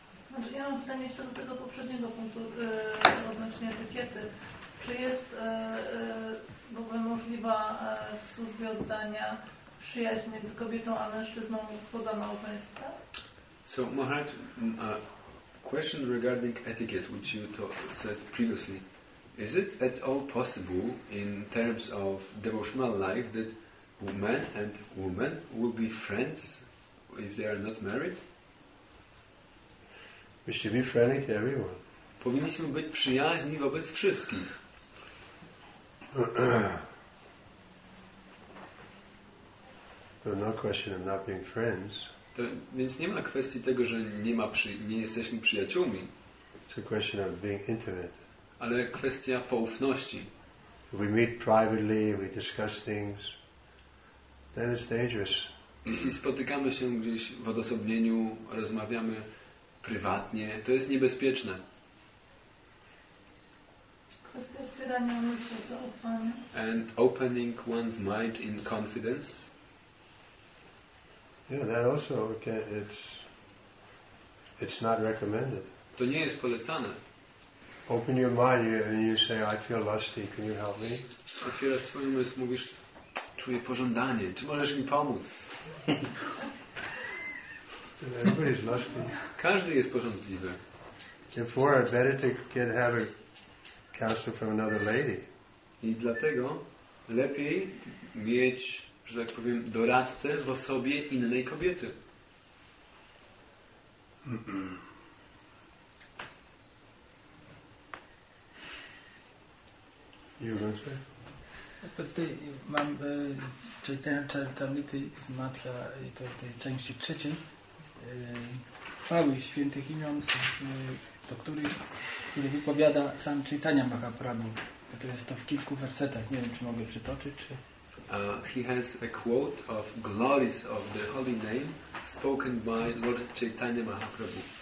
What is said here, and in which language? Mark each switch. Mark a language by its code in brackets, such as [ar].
[pl] Znaczy, ja mam pytanie jeszcze do tego poprzedniego punktu odnośnie etykiety. Czy jest w ogóle możliwa w służbie oddania przyjaźń między kobietą a mężczyzną poza małżeństwem? [en] So, Maharaj, a question regarding etiquette, which you said previously. Is it at all possible in terms of devotional life that man and woman will be friends if they are not married? We should be friendly to everyone. [pl] Powinniśmy być przyjaźni wobec wszystkich. [en] There's no question of not being friends. [pl] To, więc nie ma kwestii tego, że nie jesteśmy przyjaciółmi. [en] It's a question of being intimate. [pl] Ale kwestia poufności. [en] We meet privately, we discuss things. Then it's dangerous. [pl] Jeśli spotykamy się gdzieś w odosobnieniu, rozmawiamy prywatnie, to jest niebezpieczne. Kwestia otwierania myśli, to ufanie. [en] And opening one's mind in confidence. Yeah, that also it's not recommended. [pl] To nie jest polecane. [en] Open your mind and you say, I feel lusty, can you help me? [pl] Otwierasz swój umysł, mówisz, czuję pożądanie, czy możesz mi pomóc? [en] Everybody's lusty. [pl] Każdy jest pożądliwy. [en] Therefore, I better to get have a counsel from another lady. [pl] I dlatego lepiej mieć, że tak powiem, doradcę w osobie innej kobiety. Tutaj mam czytałem Charitamrity z Matra i to w tej części trzeciej chwały świętych imion, do których wypowiada sam Chaitanya Mahaprabhu. To jest to w kilku wersetach, nie wiem, czy mogę przytoczyć, czy... [en] He has a quote of glories of the holy name spoken by Lord Chaitanya Mahaprabhu.